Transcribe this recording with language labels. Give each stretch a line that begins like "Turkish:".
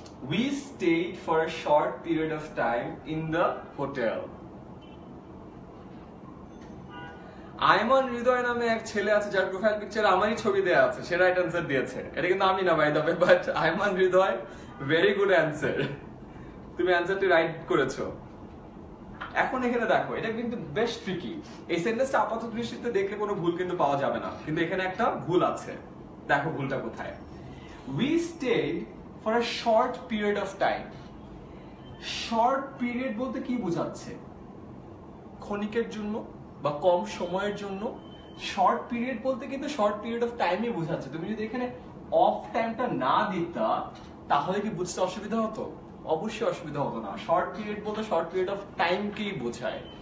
English: We stayed for a short period of time in the hotel.
Bangla: Ayman হৃদয় নামে এক ছেলে আছে যার প্রোফাইল পিকচারে আমারই ছবি দেওয়া আছে, সে রাইট অ্যান্সার দিয়েছে। এটা কিন্তু আমি না
English: by the way,
Bangla: but Ayman Hridoy
English: very good answer,
Bangla: তুমি অ্যান্সারটি রাইট করেছো। এখন এখানে দেখো এটা কিন্তু বেশ ট্রিকি, এই সেন্টেন্সটা আপাতত দৃষ্টিতে দেখলে কোনো ভুল কিন্তু পাওয়া যাবে না, কিন্তু এখানে একটা ভুল আছে, দেখো ভুলটা কোথায়।
English: We stayed for a short period of time.
Bangla: Short period বলতে কি বোঝাচ্ছে, ক্ষণিকের জন্য বা কম সময়ের জন্য? শর্ট পিরিয়ড বলতে কিন্তু শর্ট পিরিয়ড অফ টাইমই বোঝাচ্ছে। তুমি যদি এখানে অফ টাইমটা না দিতা তাহলে কি বুঝতে অসুবিধা হতো? অবশ্যই অসুবিধা হতো না, শর্ট পিরিয়ড বলতে শর্ট পিরিয়ড অফ টাইমকেই বোঝায়।